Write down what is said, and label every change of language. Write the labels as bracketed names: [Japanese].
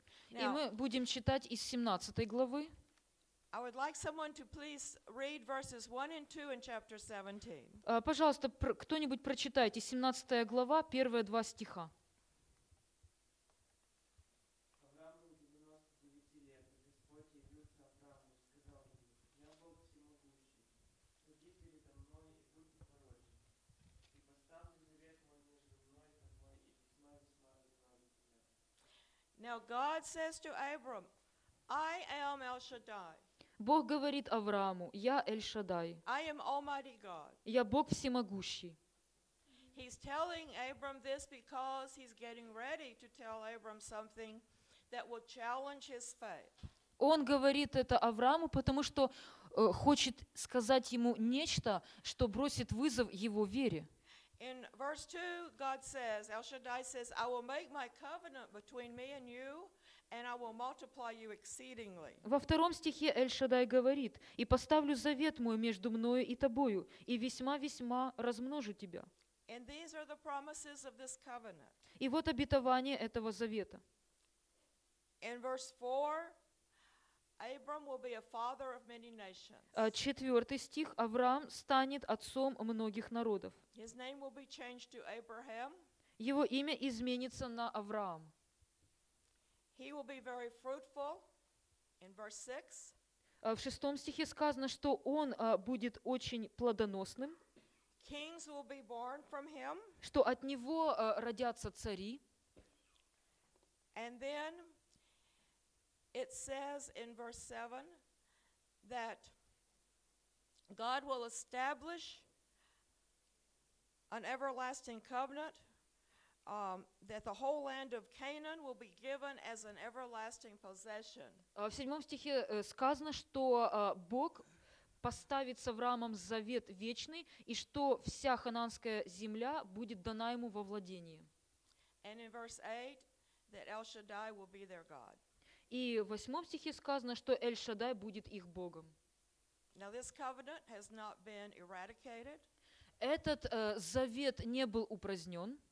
[Russian] И мы будем читать из 17 главы. [English] I would like someone to please read verses 1 and 2 in chapter 17. [Russian] Пожалуйста, кто-нибудь прочитайте 17 глава, первые два стиха. [English] Now God says to Abram, I am El Shaddai. [Russian] Бог говорит Аврааму: Я Эль-Шаддай. [English] I am Almighty God. [Russian] Я Бог всемогущий. [English] He's telling Abram this because he's getting ready to tell Abram something that will challenge his faith. [Russian] Он говорит это Аврааму, потому что хочет сказать ему нечто, что бросит вызов его вере. [English] In verse 2, God says, El Shaddai says, I will make my covenant between me and you, and I will multiply you exceedingly. [Russian] Во втором стихе Эль-Шаддай говорит: И поставлю завет мой между мною и тобою, и весьма-весьма размножу тебя. [English] And these are the promises of this covenant. [Russian] И вот обетование этого завета. [English] In verse 4, Abram will be a father of many nations. [Russian] Четвертый стих: Авраам станет отцом многих народов. [English] His name will be changed to Abraham. [Russian] Его имя изменится на Авраам. [English] He will be very fruitful. In verse 6. [Russian] В шестом стихе сказано, что он будет очень плодоносным. [English] Kings will be born from him. [Russian] Что от него родятся цари. [English] And then it says in verse 7 that God will establish an everlasting covenant that the whole land of Canaan will be given as an everlasting possession. [Russian] В седьмом стихе сказано, что Бог поставит с Авраамом завет вечный, и что вся ханаанская земля будет дана ему во владение. [English] And in verse 8, that El Shaddai will be their God. [Russian] И в восьмом стихе сказано, что Эль-Шаддай будет их Богом. [English] Now this covenant has not been eradicated. [Russian] Этот завет не был упразднен.